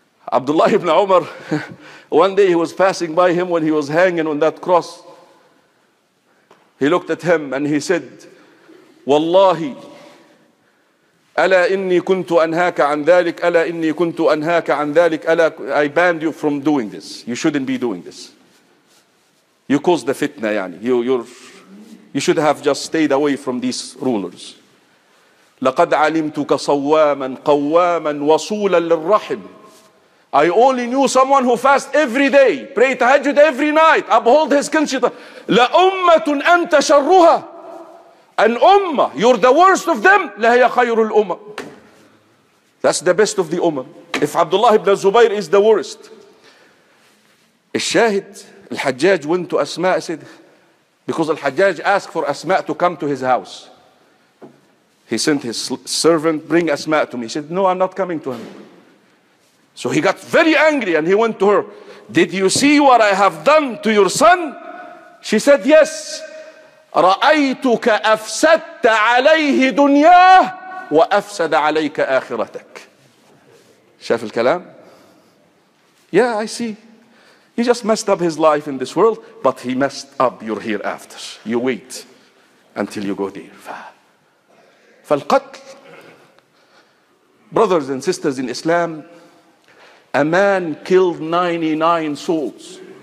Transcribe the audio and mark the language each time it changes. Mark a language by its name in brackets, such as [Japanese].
[English] Abdullah ibn Umar, one day he was passing by him when he was hanging on that cross. He looked at him and he said, [Arabic] والله ألا إني كنت أنهاك عن ذلك ألا إني كنت أنهاك عن ذلك ألا [English] I banned you from doing this. You shouldn't be doing this. You caused the fitna يعني. You should have just stayed away from these rulers. [Arabic] لقد علمتك صواما قواما وصولا للرحم. [English] I only knew someone who fast every day, pray tahajjud every night, uphold his kinshita. [Arabic] لا أمة أنت شرها. [English] An ummah, you're the worst of them, [Arabic] لهي خير الأمة. [English] That's the best of the ummah. If Abdullah ibn Zubayr is the worst. الشاهد, الحجاج went to أسماء, said, because الحجاج asked for أسماء to come to his house. He sent his servant, bring أسماء to me. He said, no, I'm not coming to him. So he got very angry and he went to her. Did you see what I have done to your son? She said, yes. [Arabic] رأيتك أفسدت عليه دنياه وأفسد عليك آخرتك. شاف الكلام؟ [English] Yeah, I see. He just messed up his life in this world, but he messed up your hereafter. You wait until you go there. فالقتل. Brothers and sisters in Islam, a man killed 99 souls.